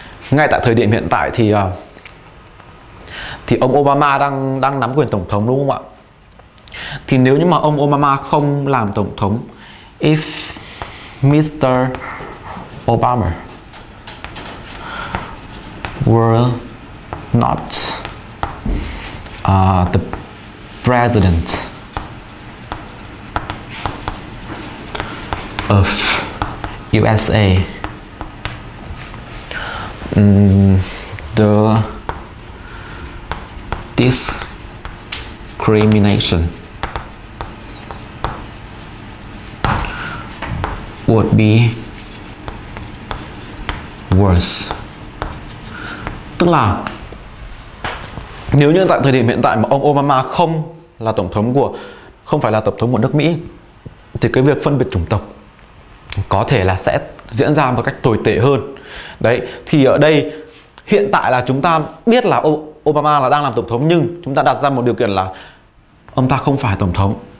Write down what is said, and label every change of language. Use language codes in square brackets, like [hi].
[vi] Ngay tại thời điểm hiện tại thì ông Obama đang nắm quyền tổng thống đúng không ạ? Thì nếu như mà ông Obama không làm tổng thống, [en] if Mr. Obama were not the president of USA, the discrimination would be worse. [vi] Tức là nếu như tại thời điểm hiện tại mà ông Obama không là tổng thống của, không phải là tổng thống của nước Mỹ, thì cái việc phân biệt chủng tộc có thể là sẽ diễn ra một cách tồi tệ hơn. Đấy, thì ở đây hiện tại là chúng ta biết là Obama là đang làm tổng thống, nhưng chúng ta đặt ra một điều kiện là ông ta không phải tổng thống.